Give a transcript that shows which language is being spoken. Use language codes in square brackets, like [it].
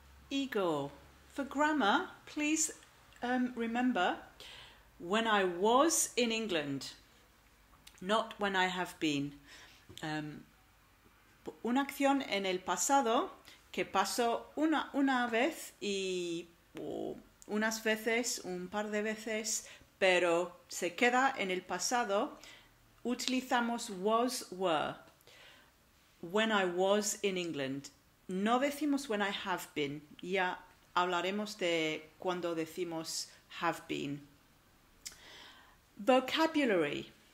[en] Igor, for grammar, please remember when I was in England, not when I have been. [es] Una acción en el pasado que pasó una vez y unas veces, un par de veces, pero se queda en el pasado. Utilizamos was, were, [en] when I was in England. [es] No decimos [en] when I have been. [es] Ya hablaremos de cuando decimos have been. [en] Vocabulary.